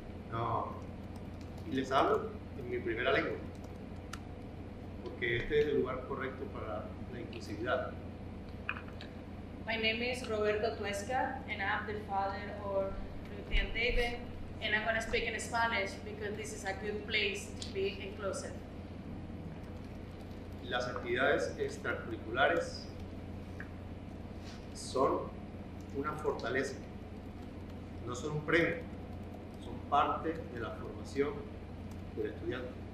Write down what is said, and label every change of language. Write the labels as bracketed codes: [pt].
[es] No, y les hablo en mi primera lengua, porque este es el lugar correcto para la inclusividad. [en] My name is Roberto Tuesta, and I'm the father of Ruthie and David, and I'm going to speak in Spanish because this is a good place to be inclusive. [es] Las actividades extracurriculares son una fortaleza, no son un premio, son parte de la formación del estudiante.